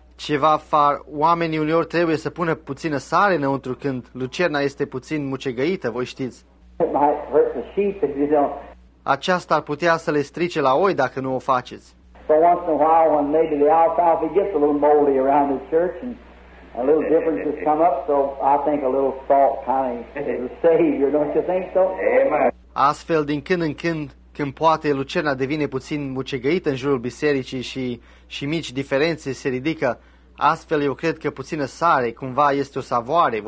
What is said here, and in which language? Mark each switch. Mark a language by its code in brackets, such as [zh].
[ro] Ceva far, oamenii uneori trebuie să pună puțină sare înăuntru când lucerna este puțin mucegăită, voi știți. [en] It might hurt the sheep if you don't. [ro] Aceasta ar putea să le strice la oi dacă nu o faceți. [en] So once in a while when maybe the alfalfa gets a little moldy around the church and a little difference has come up, so I think a little salt kind of is a savior, don't you think so? Amen. [ro] Astfel, din când în când, când poate lucerna devine puțin mucegăită în jurul bisericii și mici diferențe se ridică, astfel eu cred că puțină sare cumva este o savoare.